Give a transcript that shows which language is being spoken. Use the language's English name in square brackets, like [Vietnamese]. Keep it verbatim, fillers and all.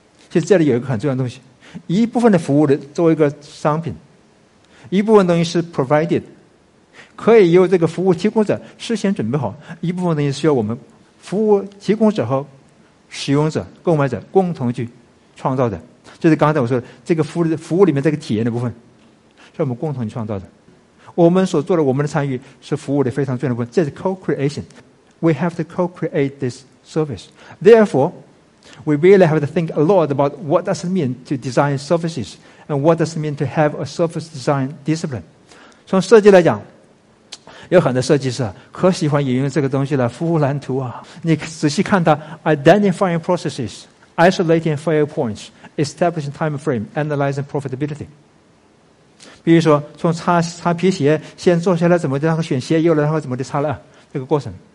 [Chinese] 其实这里有一个很重要的东西，一部分的服务的作为一个商品，一部分东西是 provided， 可以由这个服务提供者事先准备好；一部分东西需要我们服务提供者和使用者、购买者共同去创造的。就是刚才我说的这个服务服务里面这个体验的部分，是我们共同去创造的。我们所做的，我们的参与是服务的非常重要的部分，这是 co-creation。 [English] We have to co-create this service. Therefore, we really have to think a lot about what does it mean to design services and what does it mean to have a service design discipline. [Chinese] 从设计来讲，有很多设计师啊，可喜欢引用这个东西了，服务蓝图啊。你仔细看它 [English] ，identifying processes, isolating failure points, establishing time frame, analyzing profitability. [Chinese] 比如说，从擦擦皮鞋，先坐下来怎么的，然后选鞋，又然后怎么的擦了，这个过程。